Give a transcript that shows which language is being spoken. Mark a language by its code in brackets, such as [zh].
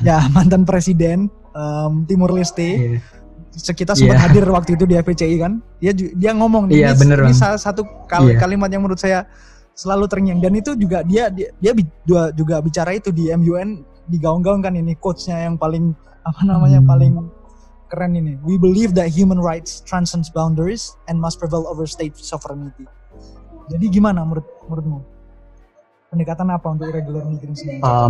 [id] Ya, mantan presiden Timur Leste. Yeah. Kita sempat hadir waktu itu di FPCI kan? Dia ngomong, yeah, ini salah satu kalimat yang menurut saya selalu terngiang. Dan itu juga dia juga bicara itu di MUN, digaung-gaung kan ini quotes-nya yang paling paling keren ini. [en] We believe that human rights transcends boundaries and must prevail over state sovereignty. [id] Jadi gimana menurutmu? Pendekatan apa untuk irregular migrants ini?